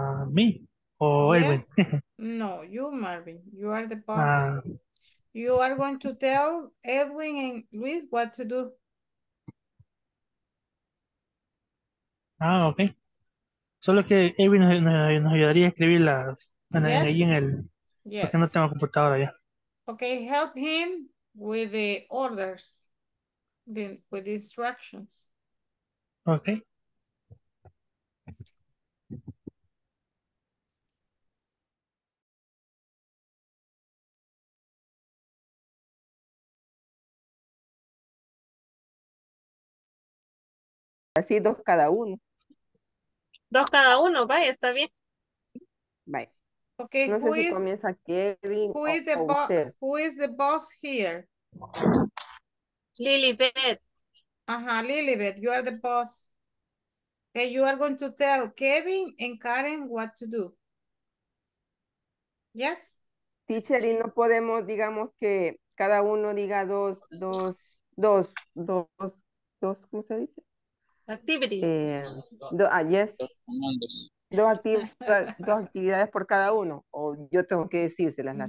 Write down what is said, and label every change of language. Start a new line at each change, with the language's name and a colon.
English: Me. Oh, yeah. Edwin. No, you, Marvin. You are the boss. You are going to tell Edwin and Luis what to do. Ah, okay.
Spanish: Solo que Edwin nos ayudaría a escribir las ahí en el.
English: Yes.
Spanish: Porque no tengo computadora ya.
English: Okay, help him with the orders, with the instructions. Okay.
Spanish: Así dos cada uno. Dos cada uno, vaya, está bien. Vaya.
English: Okay,
Spanish: no sé si comienza Kevin o usted.
English: Who is the boss here? Lilibeth. Ajá, Lilibeth, you are the boss. Okay, you are going to tell Kevin and Karen what to do. Yes?
Spanish: Teacher, y no podemos, digamos, que cada uno diga dos, ¿cómo se dice? Dos actividades por cada uno, o yo tengo que decírselas.